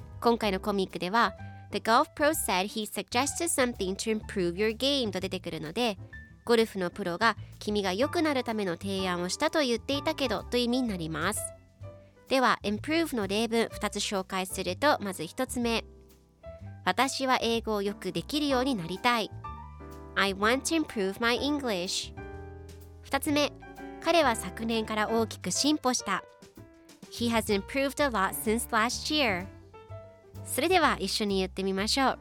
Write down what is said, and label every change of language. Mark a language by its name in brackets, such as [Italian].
[Japanese] 今回のコミックでは、 [English] The golf pro said he suggested something to improve your game [Japanese] と出てくるので、ゴルフのプロが君が良くなるための提案をしたと言っていたけどという意味になります。では improve の例文2つ紹介すると、まず1つ目、私は英語をよくできるようになりたい。 [English] I want to improve my English。 [Japanese] 2つ目、彼は昨年から大きく進歩した。 [English] He has improved a lot since last year。 [Japanese] それでは一緒に言ってみましょう。